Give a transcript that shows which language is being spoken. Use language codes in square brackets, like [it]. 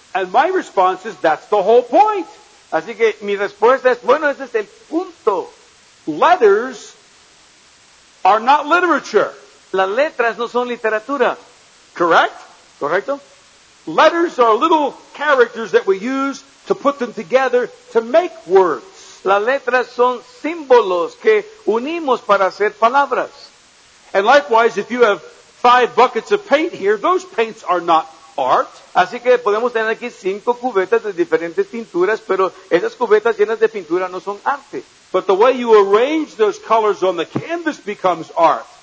[en] And my response is, that's the whole point. [es] Así que mi respuesta es, bueno, ese es el punto. [en] Letters are not literature. [es] Las letras no son literatura. [en] Correct? [es] Correcto. [en] Letters are little characters that we use to put them together to make words. [es] Las letras son símbolos que unimos para hacer palabras. [en] And likewise, if you have 5 buckets of paint here, those paints are not art. [es] Así que podemos tener aquí 5 cubetas de diferentes pinturas, pero esas cubetas llenas de pintura no son arte. [en] But the way you arrange those colors on the canvas becomes art.